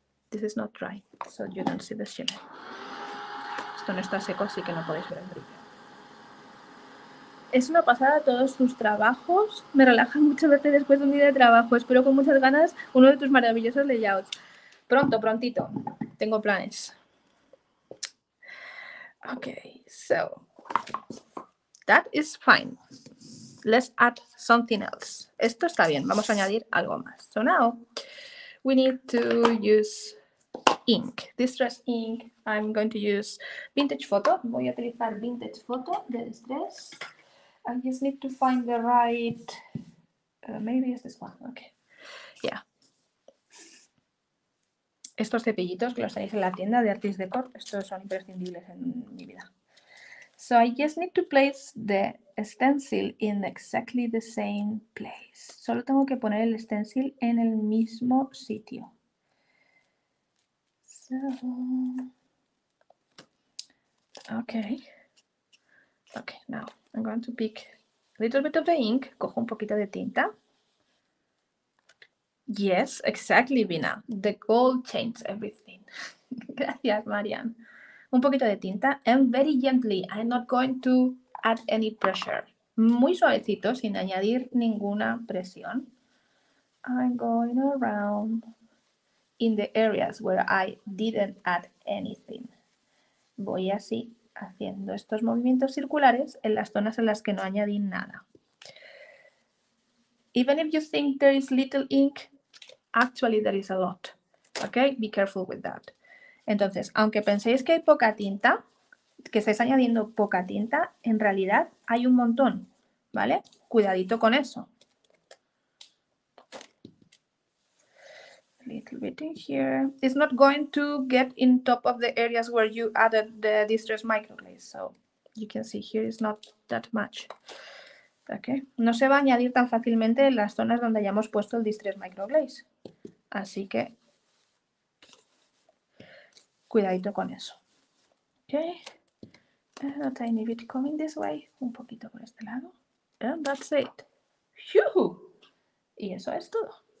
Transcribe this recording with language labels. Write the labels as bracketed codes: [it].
[en] This is not dry, so you don't see the shimmer. [es] Esto no está seco, así que no podéis ver el brillo. Es una pasada todos tus trabajos. Me relaja mucho verte después de un día de trabajo. Espero con muchas ganas uno de tus maravillosos layouts. Pronto, prontito. Tengo planes. [en] Ok, so. That is fine. Let's add something else. [es] Esto está bien. Vamos a añadir algo más. [en] So now, we need to use ink. Distress ink. I'm going to use vintage photo. [es] Voy a utilizar vintage photo de Distress. [en] I just need to find the right, maybe it's this one, okay, yeah. [es] Estos cepillitos que los tenéis en la tienda de Artis Decor, estos son imprescindibles en mi vida. [en] So I just need to place the stencil in exactly the same place. [es] Solo tengo que poner el stencil en el mismo sitio. [en] So, okay. Okay, now I'm going to pick a little bit of the ink. [es] Cojo un poquito de tinta. [en] Yes, exactly, Vina. The gold changes everything. [es] Gracias, Marian. Un poquito de tinta. [en] And very gently. I'm not going to add any pressure. [es] Muy suavecito, sin añadir ninguna presión. [en] I'm going around in the areas where I didn't add anything. [es] Voy así, haciendo estos movimientos circulares en las zonas en las que no añadí nada. [en] Even if you think there is little ink, actually there is a lot. Okay, be careful with that. [es] Entonces, aunque penséis que hay poca tinta, que estáis añadiendo poca tinta, en realidad hay un montón, ¿vale? Cuidadito con eso. [en] Little bit in here. It's not going to get in top of the areas where you added the distress microglaze. So you can see here it's not that much. Okay. [es] No se va a añadir tan fácilmente en las zonas donde hayamos puesto el distress microglaze. Así que cuidadito con eso. Okay. [en] And a tiny bit coming this way. [es] Un poquito por este lado. [en] And that's it. Yuhu. [es] Y eso es todo.